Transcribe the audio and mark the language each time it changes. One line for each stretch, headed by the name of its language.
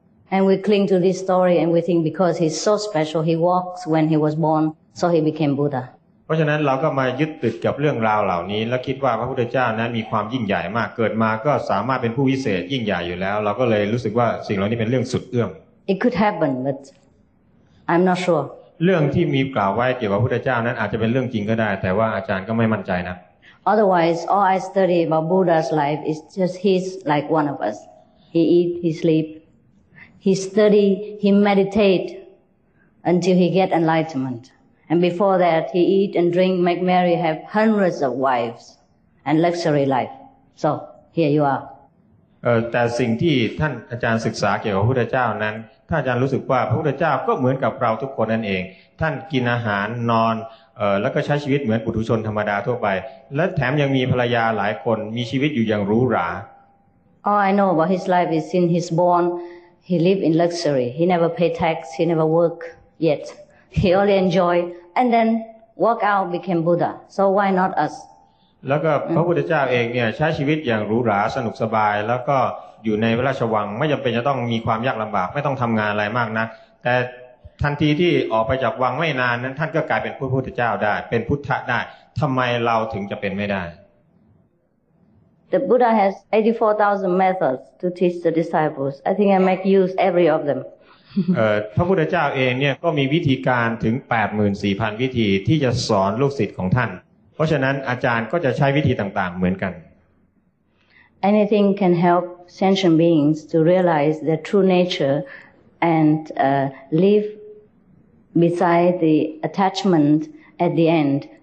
English: And we cling to this story and we think because he's so special he walks when he was born so he became Buddha
Thai: เพราะฉะนั้นเราก็มายึดติดกับเรื่องราวเหล่านี้แล้วคิดว่าพระพุทธเจ้านั้นมีความยิ่งใหญ่มากเกิดมาก็สามารถเป็นผู้วิเศษยิ่งใหญ่อยู่แล้วเราก็เลยรู้สึกว่าสิ่งเหล่านี้เป็นเรื่องสุดเอื้อม
English: It could happen but I'm not sure
Thai: เรื่องที่มีกล่าวไว้เกี่ยวกับพระพุทธเจ้านั้นอาจจะเป็นเรื่องจริงก็ได้แต่ว่าอาจารย์ก็ไม่มั่นใจนะ
English: Otherwise all I study about Buddha's life is just he's like one of us he eat he sleepHe study, he meditate until he get enlightenment. And before that, he eat and drink, make merry, have hundreds of wives and luxury life. So here you are.
Thai: แต่สิ่งที่ท่านอาจารย์ศึกษาเกี่ยวกับพระพุทธเจ้านั้นถ้าอาจารย์รู้สึกว่าพระพุทธเจ้าก็เหมือนกับเราทุกคนนั่นเองท่านกินอาหารนอนแล้วก็ใช้ชีวิตเหมือนปุถุชนธรรมดาทั่วไปและแถมยังมีภรรยาหลายคนมีชีวิตอยู่อย่างหรูหรา
English: All I know about his life is since he's born. He live in luxury. He never pay tax. He never work yet. He only enjoy and then walk out became Buddha. So why not us?
Thai: แล้วก็พระพุทธเจ้าเองเนี่ยใช้ชีวิตอย่างหรูหราสนุกสบายแล้วก็อยู่ในพระราชวังไม่จำเป็นจะต้องมีความยากลำบากไม่ต้องทำงานอะไรมากนักแต่ทันทีที่ออกไปจากวังไม่นานนั้นท่านก็กลายเป็นพระพุทธเจ้าได้เป็นพุทธได้ทำไมเราถึงจะเป็นไม่ได้
English: The Buddha has 84,000 methods to teach the disciples. I think I make use every of them.
Thai: พระพุทธเจ้าเองเนี่ยก็มีวิธีการถึง 84,000 วิธีที่จะสอนลูกศิษย์ของท่านเพราะฉะนั้นอาจารย์ก็จะใช้วิธีต่างๆเหมือนกัน
English: Anything can help sentient beings to realize their true nature and live beside the attachment at the end.